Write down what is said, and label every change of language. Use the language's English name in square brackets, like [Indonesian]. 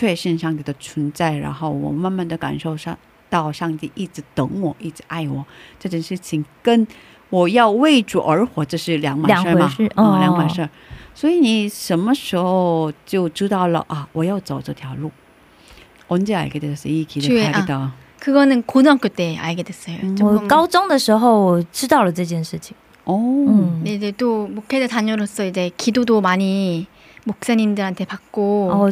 [Chinese] 嗯，是这样的。所以可是啊，我慢慢的就确信上帝的存在，然后我慢慢的感受上 到上帝一直等我，一直爱我这件事情，跟我要为主而活，这是两码事吗？两码事。所以你什么时候就知道了啊？我要走这条路， [Korean] 언제 알게 되었어요? 이 길을 가게 되어. 그거는 고등학교 때 알게 됐어요. [Chinese] 我高中的时候知道了这件事情。哦，이제 [Korean] 또 목회자 자녀로서 이제 기도도 많이 목사님들한테 받고